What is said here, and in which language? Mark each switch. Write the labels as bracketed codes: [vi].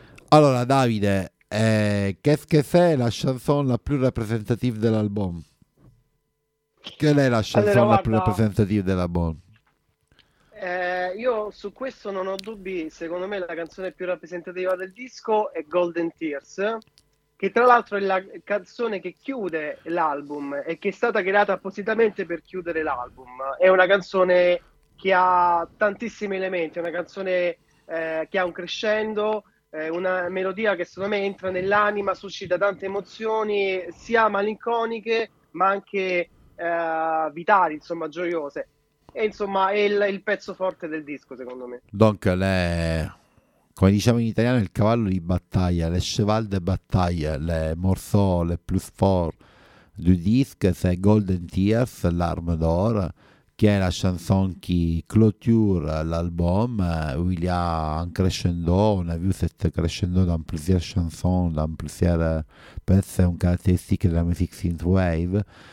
[it] Allora, [fr] Davide, qu'est-ce que c'est la chanson la plus représentative de l'album? Quelle è la chanson la plus [it] guarda, [fr] représentative de l'album? [it] io su questo non ho dubbi. Secondo me, la canzone più rappresentativa del disco è Golden Tears, che tra l'altro è la canzone che chiude l'album e che è stata creata appositamente per chiudere l'album. È una canzone che ha tantissimi elementi, è una canzone che ha un crescendo. Una melodia che secondo me entra nell'anima, suscita tante emozioni, sia malinconiche, ma anche. Vitali, insomma, gioiose. E insomma, è il pezzo forte del disco, secondo me. [fr] Donc, [it] come diciamo in italiano, il cavallo di battaglia, [fr] le cheval de bataille, le morceau le plus fort du disque, c'est Golden Tears, L'Arme d'Or, [it] che è [fr] la chanson qui clôture l'album, où il y a un crescendo, on a vu cette crescendo dans plusieurs chansons, dans plusieurs pezzi, un caratteristique de la musique synthwave.